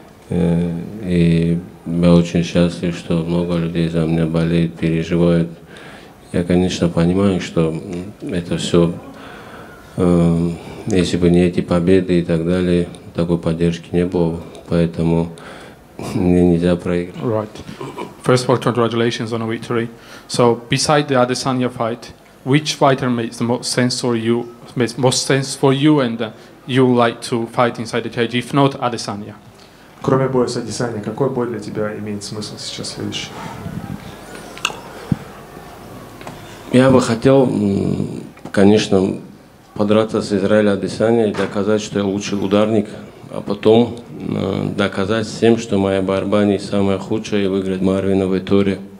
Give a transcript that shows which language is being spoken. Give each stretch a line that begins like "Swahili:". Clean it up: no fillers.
Russian: И я очень счастлив, что много людей за меня болеют, переживают. Я, конечно, понимаю, что это все, если бы не эти победы и так далее, такой поддержки не было, поэтому мне нельзя проиграть.
English: Right. First of all, congratulations on a victory. So, beside the Adesanya fight, which fighter makes the most sense for you? Makes most sense for you, and you like to fight inside the cage? If not, Adesanya.
Russian: Кроме боя с Адесаней, какой бой для тебя имеет смысл сейчас следующий? Я бы хотел, конечно, подраться с Израилем Адесаней и доказать, что я лучший ударник, а потом доказать всем, что моя борьба не самая худшая, и выиграть Марвина Веттори.